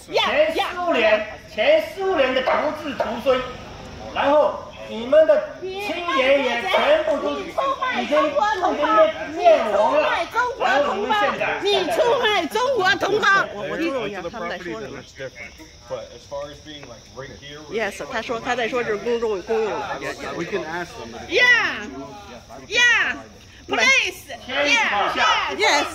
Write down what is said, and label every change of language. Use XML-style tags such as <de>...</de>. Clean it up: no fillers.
<en>yeah, yeah。</en> <zh>前苏联，前苏联的独自独尊，然后。你们的亲爷爷全部都已经灭亡了，然后你们现在你出卖中国同胞，我听懂了，他们在说什么？</zh> <en>But as far as being like right here,</en> <zh>yes, 他说他在说这是公众公用的。</zh> <en>Yeah, we can ask them. Yeah, yeah, please, yeah, yes,</en>